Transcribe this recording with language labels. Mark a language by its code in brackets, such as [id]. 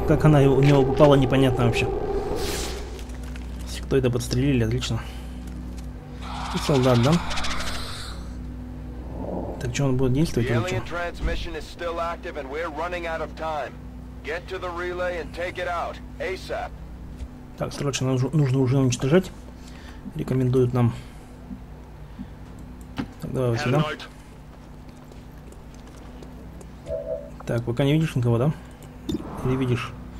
[ru] Как она у него попала, непонятно вообще. Кто это подстрелили, отлично. И солдат, да? Так что он будет действовать или что? [en] Transmission is still active and we're running out of time. Get to the relay and take it out ASAP. [ru] Так, срочно нужно уже уничтожать. Рекомендуют нам. Так, давай вот сюда. Так, пока не видишь никого, да? Или видишь?